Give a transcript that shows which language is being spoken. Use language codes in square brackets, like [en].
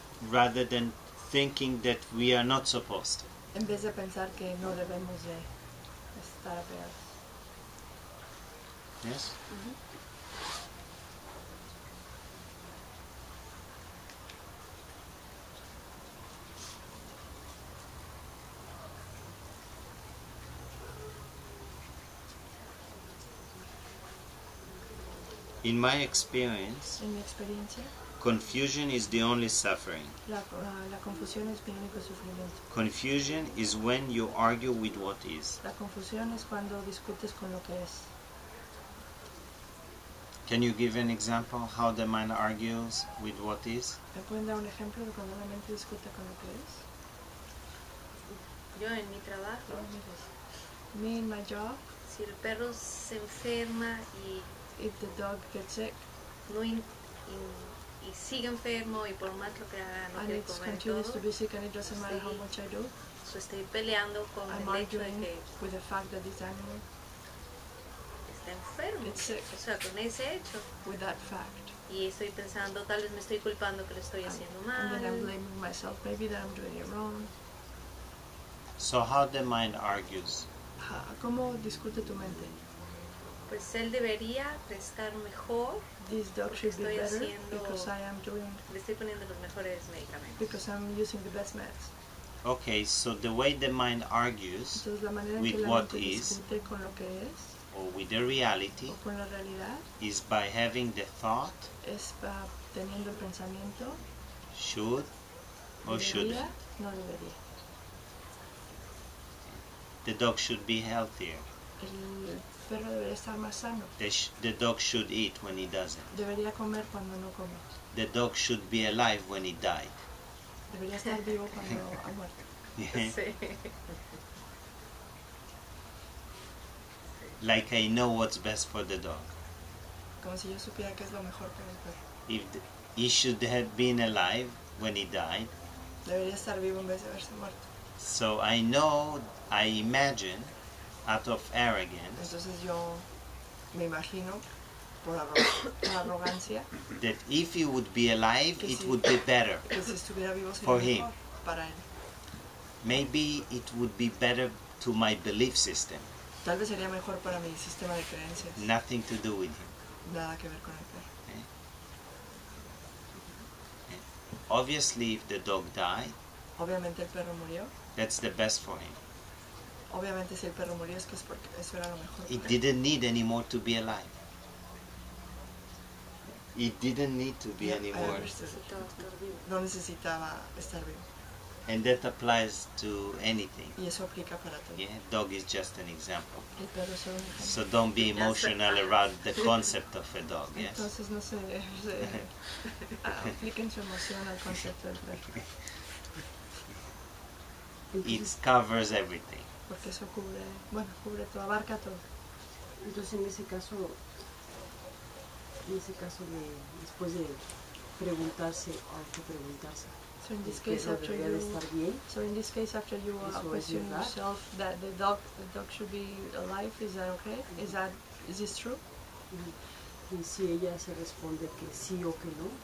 [en] Rather than thinking that we are not supposed to. [es] En vez de pensar que no debemos de estar apegados. [en] Yes? Mm-hmm. In my experience, [es] en mi experiencia, [en] confusion is the only suffering. [es] La confusión es mi único sufrimiento. [en] Confusion is when you argue with what is. [es] La confusión es cuando discutes con lo que es. [en] Can you give an example how the mind argues with what is? [es] ¿Me pueden dar un ejemplo de cuando la mente discute con lo que es? Yo en mi trabajo. [en] Me in my job. [es] Si el perro se enferma y [en] if the dog gets sick. [es] No y sigue enfermo y por más lo que haga no quiere comer todo. [en] And it continues to be sick and it doesn't matter how much I do. [es] So estoy peleando con [en] I'm [es] el hecho de que [en] with the fact that this animal. [es] Enfermo, o sea, con ese hecho. [en] With that fact. [es] Y estoy pensando, tal vez me estoy culpando que lo estoy haciendo mal. [en] And then I'm blaming myself, maybe that I'm doing it wrong. So how the mind argues? [es] ¿Cómo discute tu mente? Pues él debería estar mejor. [en] This dog should be [es] estoy [en] better [es] haciendo, [en] because I am doing. [es] Le estoy poniendo los mejores medicamentos. [en] Because I'm using the best meds. Okay, so the way the mind argues. [es] Entonces, la manera [en] with [es] que la [en] what [es] mente [en] is. [es] Discute con lo que es. [en] Or with the reality, [es] o con la realidad, [en] is by having the thought, [es] es teniendo el pensamiento, [en] should or [es] debería, no debería. [en] The dog should be healthier. [es] El perro debería estar más sano. [en] The dog should eat when he doesn't. [es] Debería comer cuando no come. [en] The dog should be alive when he died. [es] Debería estar vivo cuando ha muerto. [en] Like I know what's best for the dog. [es] Como si yo supiera que es lo mejor para el perro. [en] If he should have been alive when he died. [es] Debería estar vivo en vez de haberse muerto. [en] So I know, I imagine, out of arrogance. [es] Entonces yo me imagino por arrogancia. [en] That if he would be alive, it would be better. [es] Que si estuviera vivo sería [en] for him. [es] Mejor para él. [en] Maybe it would be better to my belief system. [es] Tal vez sería mejor para mi sistema de creencias. [en] Nothing to do with him. [es] Nada que ver con el perro. [en] Okay. Obviously, if the dog died. [es] Obviamente el perro murió. [en] That's the best for him. [es] Obviamente si el perro murió es que es porque eso era lo mejor. [en] It didn't need anymore to be alive. It didn't need to be anymore. [es] No necesitaba estar vivo. [en] And that applies to anything. [es] Y eso aplica para todo. [en] Yeah, dog is just an example. [es] El perro es un ejemplo. [en] So don't be emotional about the concept of a dog, yes? [es] Entonces no se apliquen su emoción al concepto del perro. [en] It covers everything. [es] Porque eso cubre, bueno, cubre todo, abarca todo. Entonces en ese caso de, después de preguntarse, hay que preguntarse. [en] So in this case, after you question yourself that the dog should be alive, is that okay? Mm-hmm. Is this true? [es] Mm-hmm. Y si ella se responde que sí o que no.